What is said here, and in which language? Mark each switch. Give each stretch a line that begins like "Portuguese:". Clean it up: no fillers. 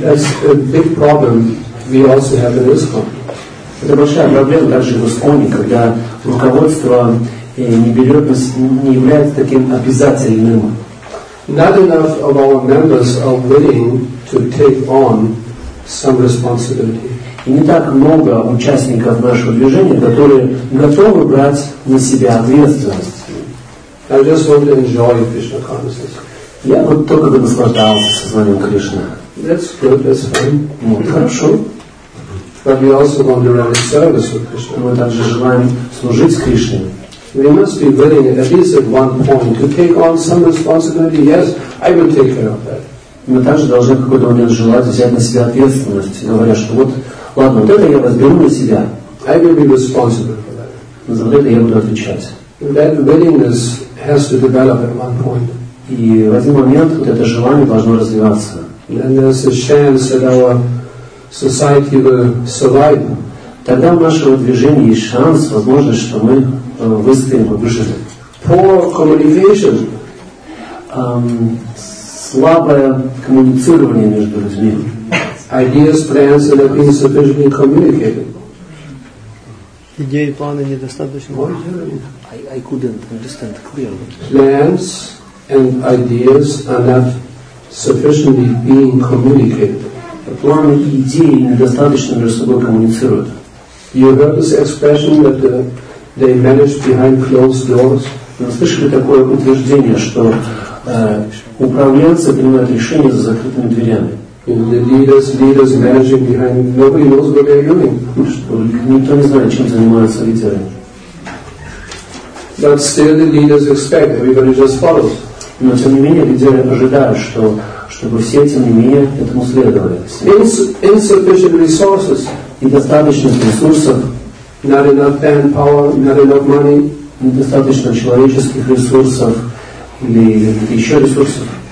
English: That's a big problem we also have in ISKCON.
Russian: Это большая проблема даже в ИСКОНе, когда руководство не берет, не является таким обязательным.
English: Not enough of our members are willing to take on some responsibility.
Russian: И не так много участников нашего движения, которые готовы брать на себя ответственность.
English: I just want to enjoy Krishna consciousness.
Russian: Я вот только бы наслаждался сознанием Кришны.
English: That's good, that's fine.
Russian: Вот, хорошо.
English: But we also want to run a service with Krishna.
Russian: Мы также желаем служить Кришне.
English: We must be willing at least at one point to take on some responsibility. Yes, I will take care of that.
Russian: Мы также должны в какой-то момент желать взять на себя ответственность, говоря, что вот, ладно, вот это я возьму на себя.
English: I will be responsible for that.
Russian: За это я буду отвечать.
English: That willingness has to develop at one point.
Russian: И в один момент вот это желание должно развиваться.
English: And there's a chance that our society will survive.
Russian: Тогда в нашем движении есть шанс, возможность, что мы выстоим и выживем.
English: Poor communication.
Russian: слабое коммуницирование между людьми.
English: Ideas, plans that are insufficiently communicated.
Russian: Идеи, планы недостаточно.
English: I couldn't understand clearly. Plans and ideas are not sufficiently being communicated.
Russian: Планы и идеи недостаточно между собой коммуницируют.
English: You heard this expression that they manage behind closed doors.
Russian: Вы слышали такое утверждение, что управленцы принимают решения за закрытыми дверями?
English: And the leaders managing behind nobody knows what they're doing.
Russian: Что никто не знает, чем занимаются лидеры.
English: But still, the leaders expect everybody just follows.
Russian: Но тем не менее лидеры ожидают, что чтобы все тем не менее этому следовали.
English: Insufficient resources.
Russian: Недостаточных ресурсов.
English: Not enough manpower. Not enough money.
Russian: Недостаточно человеческих ресурсов или еще ресурсов.